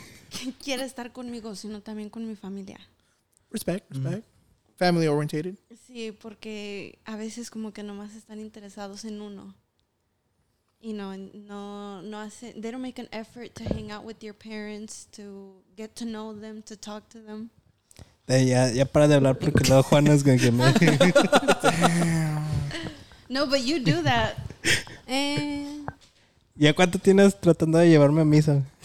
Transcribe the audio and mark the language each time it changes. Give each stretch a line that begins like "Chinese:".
Spanish: Que quiera estar conmigo, sino también con mi familia.
English: Respect, respect. Mm-hmm. Family oriented.
Spanish: Sí, porque a veces como que nomás están interesados en uno.
English: You know,
Spanish: no hace,
English: they don't make an effort to hang out with your parents, to get to know them, to talk to them.
Spanish: Hey, ya, ya para de hablar porque luego Juana es
English: gonna get me. No, but you do that.
Spanish: ¿Ya cuánto tienes tratando de llevarme a misa?